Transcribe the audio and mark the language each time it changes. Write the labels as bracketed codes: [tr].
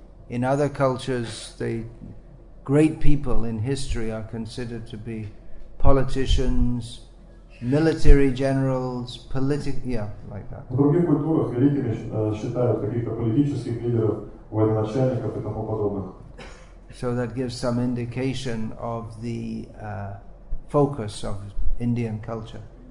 [en] In other cultures, the great people in history are considered to be politicians, military generals, [ru] В других культурах великими считают каких-то политических лидеров, военачальников и тому подобных. [en] So that gives some indication of the focus of Indian culture.